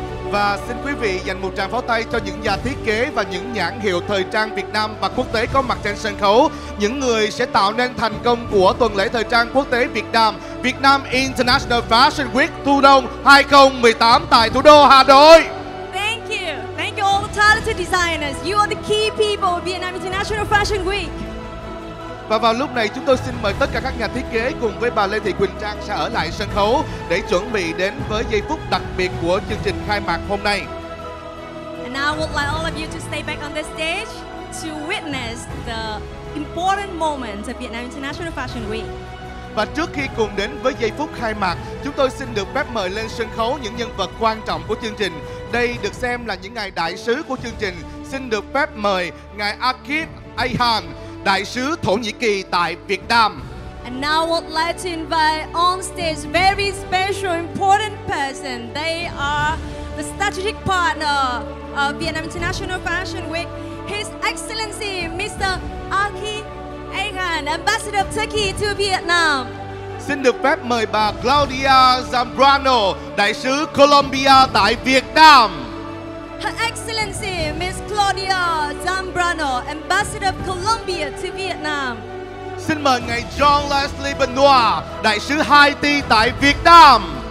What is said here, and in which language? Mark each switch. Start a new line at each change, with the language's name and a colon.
Vietnamese: Và xin quý vị dành một tràng pháo tay cho những nhà thiết kế và những nhãn hiệu thời trang Việt Nam và quốc tế có mặt trên sân khấu, những người sẽ tạo nên thành công của tuần lễ thời trang quốc tế Việt Nam, Việt Nam International Fashion Week Thu Đông 2018 tại thủ đô Hà Nội.
English: Thank you all the talented designers. You are the key people of Vietnam International Fashion Week.
Vietnamese: Và vào lúc này, chúng tôi xin mời tất cả các nhà thiết kế cùng với bà Lê Thị Quỳnh Trang sẽ ở lại sân khấu để chuẩn bị đến với giây phút đặc biệt của chương trình khai mạc hôm nay.
English: And I would like all of you to stay back on the stage to witness the important moments of Vietnam International Fashion Week.
Vietnamese: Và trước khi cùng đến với giây phút khai mạc, chúng tôi xin được phép mời lên sân khấu những nhân vật quan trọng của chương trình. Đây được xem là những ngài đại sứ của chương trình. Xin được phép mời ngài Akif Ayhan, đại sứ Thổ Nhĩ Kỳ tại Việt Nam.
English: And now I would like to invite on stage very special important person. They are the strategic partner of Vietnam International Fashion Week, His Excellency Mr. Akif Ayhan, Ambassador of Turkey to Vietnam.
Vietnamese: Xin được phép mời bà Claudia Zambrano, đại sứ Colombia tại Việt Nam.
English: Her Excellency Miss Claudia Zambrano, Ambassador of Colombia to Vietnam.
Vietnamese: xin mời ngài John Leslie Benoit, đại sứ Haiti tại Việt Nam.